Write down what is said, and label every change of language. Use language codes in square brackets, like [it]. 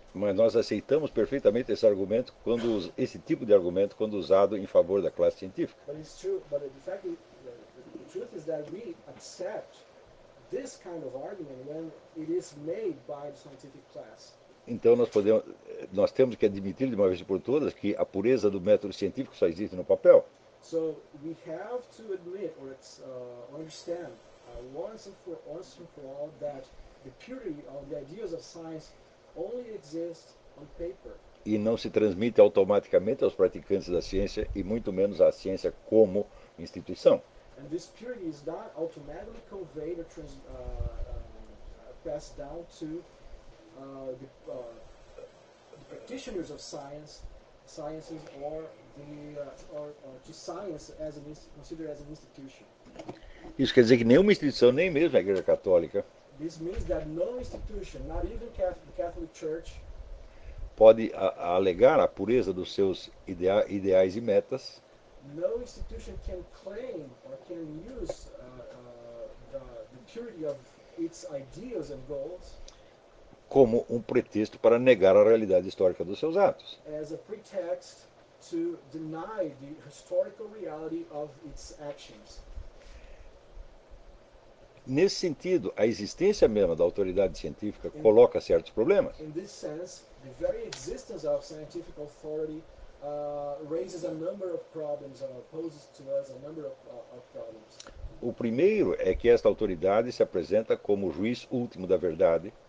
[pt] Mas nós aceitamos perfeitamente esse argumento quando esse tipo de argumento quando usado em favor da classe científica. [en] But it's true, but the fact is, the truth is that we accept this kind of argument when it is made by the scientific class. [pt] Então nós temos que admitir de uma vez por todas que a pureza do método científico só existe no papel. [en] So we have to admit or understand once and for all that the purity of the ideas of science only exists on paper. [pt] E não se transmite automaticamente aos praticantes da ciência e muito menos à ciência como instituição. [en] And this purity is not automatically conveyed or passed down to the practitioners of sciences or to science as an considered as an institution. [pt] Isso quer dizer que nenhuma instituição, nem mesmo a Igreja Católica. [en] This means that no institution, not even the Catholic Church, [pt] pode alegar a pureza dos seus ideais e metas. [en] No institution can claim or can use the purity of its ideas and goals [pt] como um pretexto para negar a realidade histórica dos seus atos. [en] As a pretext to deny the historical reality of its actions. [pt] Nesse sentido, a existência mesma da autoridade científica coloca certos problemas. [en] In this sense, the very existence of scientific authority raises a number of problems and poses to us a number of problems. [pt] O primeiro é que esta autoridade se apresenta como o juiz último da verdade.